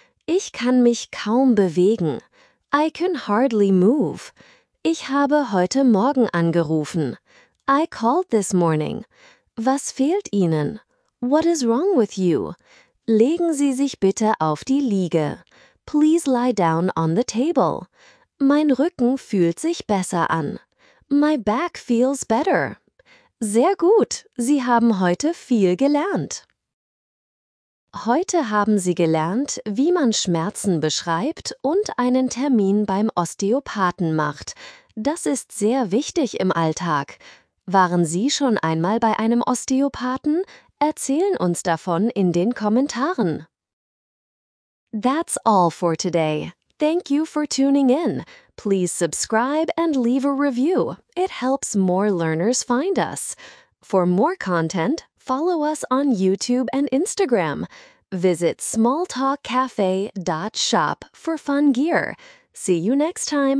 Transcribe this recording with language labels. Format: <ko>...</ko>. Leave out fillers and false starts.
<de>Ich kann mich kaum bewegen.</de> <en>I can hardly move.</en> <de>Ich habe heute Morgen angerufen.</de> <en>I called this morning.</en> <de>Was fehlt Ihnen?</de> <en>What is wrong with you?</en> <de>Legen Sie sich bitte auf die Liege.</de> <en>Please lie down on the table.</en> <de>Mein Rücken fühlt sich besser an.</de> <en>My back feels better.</en> <de>Sehr gut. Sie haben heute viel gelernt. Heute haben Sie gelernt, wie man Schmerzen beschreibt und einen Termin beim Osteopathen macht. Das ist sehr wichtig im Alltag. Waren Sie schon einmal bei einem Osteopathen? Erzählen uns davon in den Kommentaren.</de> <en>That's all for today. Thank you for tuning in. Please subscribe and leave a review. It helps more learners find us. For more content, follow us on YouTube and Instagram. Visit smalltalkcafe.shop for fun gear. See you next time.</en>